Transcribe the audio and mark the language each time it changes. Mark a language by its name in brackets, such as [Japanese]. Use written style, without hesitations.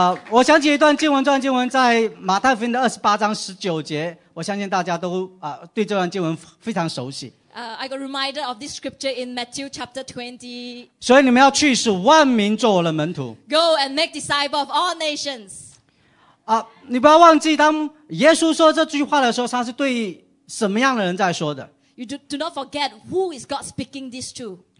[Chinese] 我想起一段经文，这段经文在马太福音的28:19，我相信大家都对这段经文非常熟悉。 [English] I got reminded of this scripture in Matthew chapter 20. [Chinese] 所以你们要去，使万民做我的门徒。 [English] Go and make disciples of all nations. [Chinese] 你不要忘记，当耶稣说这句话的时候，他是对什么样的人在说的？ [English] You do not forget who is God speaking this to.